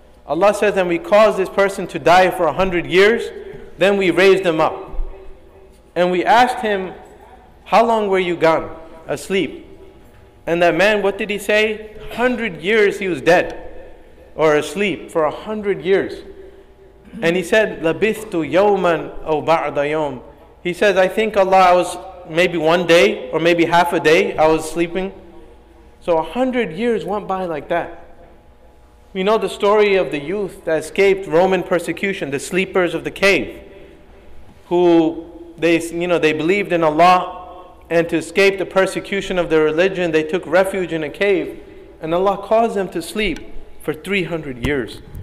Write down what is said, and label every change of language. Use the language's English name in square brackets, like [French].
[English] Allah says, and we caused this person to die for 100 years, then we raised him up. And we asked him, how long were you gone, asleep? And that man, what did he say? 100 years he was dead, or asleep, for 100 years. [Arabic] And he said, لَبِثْتُ يَوْمًا أَوْ بَعْضَ يَوْمٍ. [English] He says, I think Allah, I was maybe one day or maybe half a day I was sleeping. So 100 years went by like that. We know the story of the youth that escaped Roman persecution, the sleepers of the cave, who they believed in Allah, and to escape the persecution of their religion, they took refuge in a cave, and Allah caused them to sleep for 300 years.